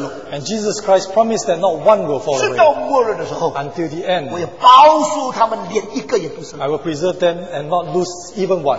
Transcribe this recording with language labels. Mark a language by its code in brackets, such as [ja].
[en] and Jesus Christ promised that not one will fall away. [zh] 直到末日的时候, [en] until the end, [zh] 我也保守他们连一个也不剩, [en] I will preserve them and not lose even one.